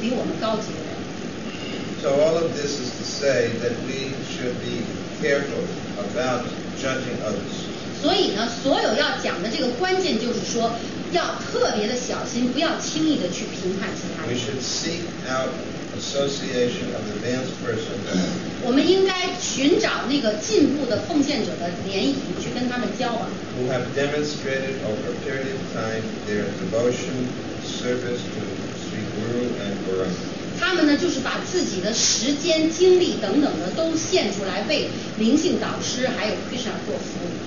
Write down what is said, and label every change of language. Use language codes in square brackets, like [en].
[zh] 一般的情况下，除非我们是特别高级的奉献者，否则我们不可能去评判那些个比我们高级的人。So [en] all of this is to say that we should be careful about judging others. [zh] 所以呢，所有要讲的这个关键就是说，要特别的小心，不要轻易的去评判其他人。We [en] should seek out association of advanced persons. [zh] 我们应该寻找那个进步的奉献者的联谊，去跟他们交往。 [en] Who have demonstrated over a period of time their devotion, service to Sri Guru and Gaurang. [zh] 他们呢，就是把自己的时间、精力等等的都献出来，为灵性导师还有Krishna做服务。